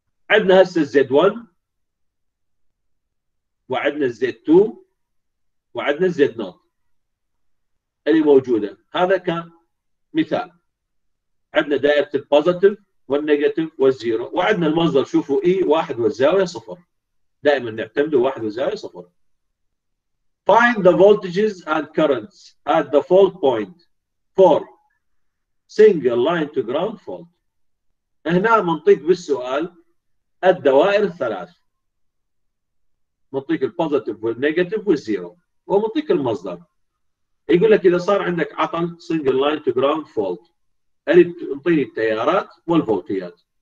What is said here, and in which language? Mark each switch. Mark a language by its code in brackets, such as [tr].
[ar] عندنا هسه الزد 1 وعندنا الزد 2 وعندنا الزد نوت اللي موجوده، هذا كان مثال. عندنا دائره البوزيتيف والنيجاتيف والزيرو، وعندنا المصدر شوفوا اي واحد والزاويه صفر. دائما نعتمد واحد والزاويه صفر. [en] Find the voltages and currents at the fault point for single line to ground fault. [ar] هنا منطق بالسؤال الدوائر الثلاث. منطق البوزيتيف والنيجاتيف والزيرو، ومنطق المصدر. يقول لك إذا صار عندك عطل single line to ground fault، اللي بتعطيني التيارات والفولتيات.